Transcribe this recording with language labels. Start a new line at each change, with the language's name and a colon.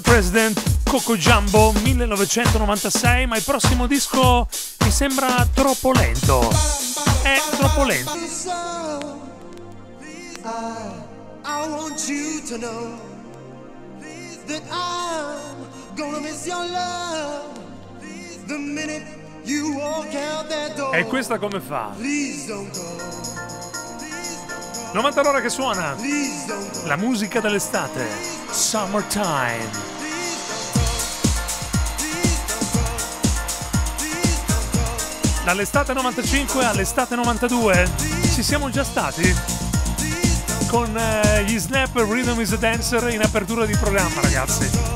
Italian: President, Coco Jumbo 1996, ma il prossimo disco mi sembra troppo lento. È troppo lento.
English: I want you to know that I'm gonna miss your love the minute you walk out that door.
Italian: E questa come fa?
English: Please don't go.
Italian: 90 all'ora che suona la musica dell'estate, Summertime. Dall'estate 95 all'estate 92 ci siamo già stati con gli Snap Rhythm is a Dancer in apertura di programma, ragazzi.